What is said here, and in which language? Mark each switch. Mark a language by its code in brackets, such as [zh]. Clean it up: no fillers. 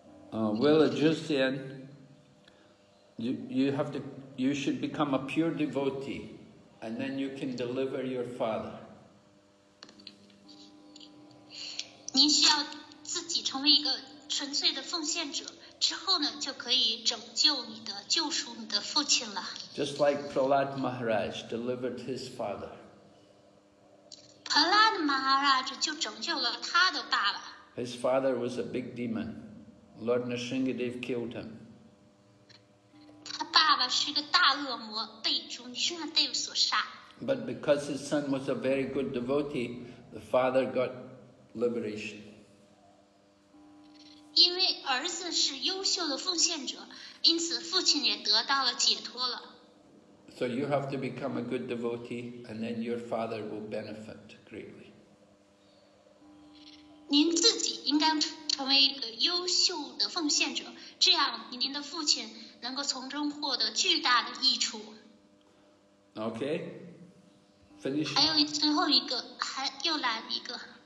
[en] Well, just then, you should become a pure devotee, and then you can deliver your father. [zh] 您需要自己成为一个纯粹的奉献者，之后呢，就可以拯救你的、救赎你的父亲了。 [en] Just like Prahlad Maharaj delivered his father. [zh] Prahlad Maharaj 就拯救了他的爸爸。 [en] His father was a big demon. Lord Narsingadev killed him. [zh] 他爸爸是个大恶魔，被主Narsingadev所杀。 [en] But because his son was a very good devotee, the father got liberation. [zh] 因为儿子是优秀的奉献者，因此父亲也得到了解脱了。 [en] So you have to become a good devotee, and then your father will benefit greatly. [zh] 您自己应该成为一个优秀的奉献者，这样您的父亲能够从中获得巨大的益处。 [en] Okay, finish. [zh] 还有最后一个，还又来一个。